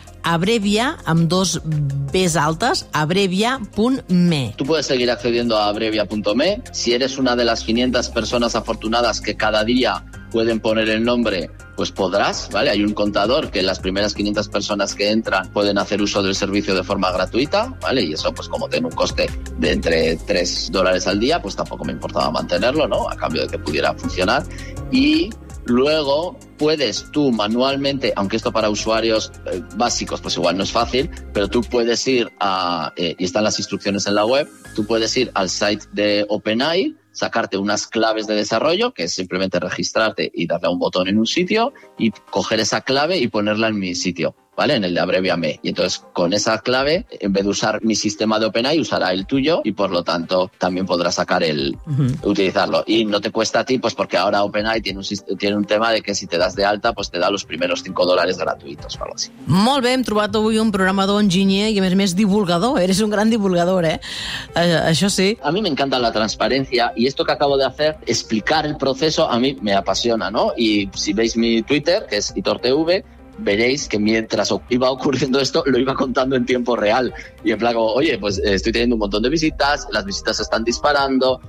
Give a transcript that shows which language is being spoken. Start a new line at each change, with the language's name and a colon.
Catalan: Abrevia, amb dos Bs altes, abrevia.me.
Spanish: Tú puedes seguir accediendo a abrevia.me. Si eres una de las 500 personas afortunadas que cada día pueden poner el nombre, pues podrás, ¿vale? Hay un contador que las primeras 500 personas que entran pueden hacer uso del servicio de forma gratuita, ¿vale? Y eso, pues como tiene un coste de entre $3 al día, pues tampoco me importaba mantenerlo, ¿no? A cambio de que pudiera funcionar. Y luego puedes tú manualmente, aunque esto para usuarios básicos pues igual no es fácil, pero tú puedes ir a, y están las instrucciones en la web, tú puedes ir al site de OpenAI, sacarte unas claves de desarrollo, que es simplemente registrarte y darle a un botón en un sitio y coger esa clave y ponerla en mi sitio, ¿vale? En el de Abreviame. Y entonces, con esa clave, en vez de usar mi sistema de OpenAI, usará el tuyo y, por lo tanto, también podrás sacar el... utilizarlo. Y no te cuesta a ti, pues porque ahora OpenAI tiene un tema de que si te das de alta, pues te da los primeros $5 gratuitos o algo así.
Catalan: Molt bé, hem trobat avui un programador enginyer i, a més a més, divulgador.
Spanish: Eres un gran divulgador, ¿eh?
Catalan: Això sí.
Spanish: A mí me encanta la transparencia y esto que acabo de hacer, explicar el proceso, a mí me apasiona, ¿no? Y si veis mi Twitter, que es HitorTV, veréis que mientras iba ocurriendo esto lo iba contando en tiempo real y en plan como, oye, pues estoy teniendo un montón de visitas, las visitas se están disparando.